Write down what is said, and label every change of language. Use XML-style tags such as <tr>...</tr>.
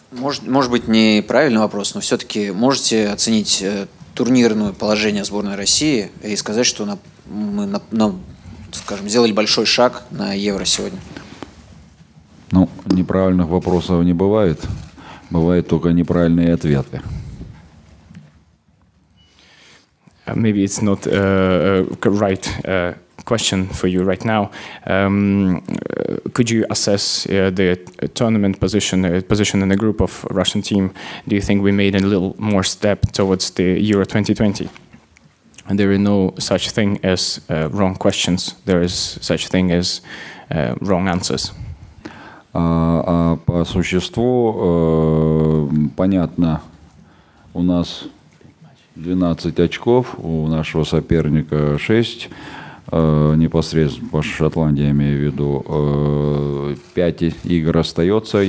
<ru>Может быть, неправильный вопрос, но все-таки можете оценить турнирное положение сборной России и сказать, что мы, скажем, сделали большой шаг на Евро сегодня? Ну, неправильных вопросов не бывает. Бывают только неправильные ответы.</ru> <en>Maybe it's not right question for you right now. Could you assess the tournament position, position in the group of Russian team? Do you think we made a little more step towards the Euro 2020? And there is no such thing as wrong questions. There is such thing as wrong answers.</en> <ru>А по существу, понятно, у нас 12 очков, у нашего соперника 6, непосредственно по Шотландии, имею в виду, 5 игр остается.</ru>